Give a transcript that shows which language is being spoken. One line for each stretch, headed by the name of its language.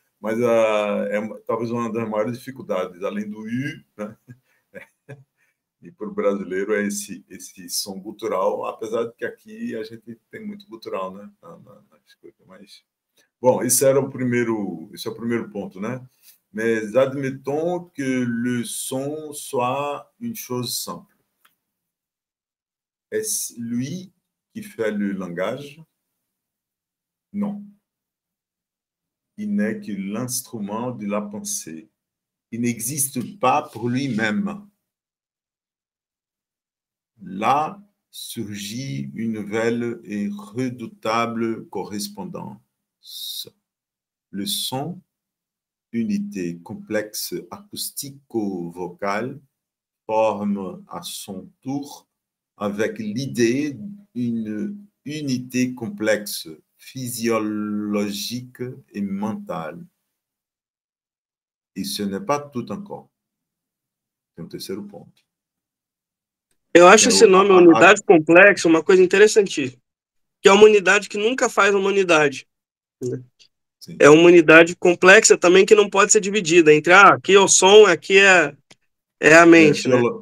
Portuguese: Mas é talvez uma das maiores dificuldades, além do I, né? E para o brasileiro é esse som gutural, apesar de que aqui a gente tem muito gutural, né? Mas, bom, esse era o primeiro, esse é o primeiro ponto, né?
French: Mais admettons que le son soit une chose simple. Est-ce lui qui fait le langage? Non. Il n'est que l'instrument de la pensée. Il n'existe pas pour lui-même. Là surgit une nouvelle et redoutable correspondance. Le son, unité complexe acoustico-vocale, forme à son tour avec l'idée d'une unité complexe physiologique et mentale. Et ce n'est pas tout encore. C'est un terceiro point.
Portuguese: Eu acho esse nome, unidade complexa, uma coisa interessantíssima. Que é uma unidade que nunca faz uma unidade. Né? É uma unidade complexa também que não pode ser dividida entre aqui é o som, aqui é a mente. Né?